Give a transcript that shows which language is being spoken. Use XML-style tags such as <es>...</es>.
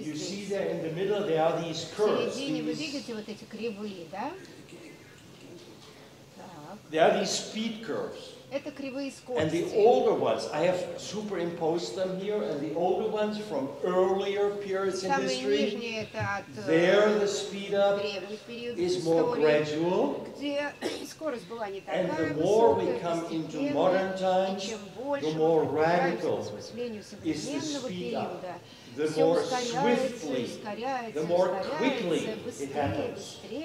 <ru>здесь,</ru> <en>you see there in the middle, there are these curves,</en> <ru>в середине вы видите вот эти кривые, да?</ru> <en>There are these speed curves.</en> <ru>Это кривые скорости.</ru> <en>And the older ones, I have superimposed them here, and the older ones from earlier periods in history, there the speed up is more gradual, and the more we come into modern times, the more radical is the speed up, the more swiftly, the more quickly it happens.</en>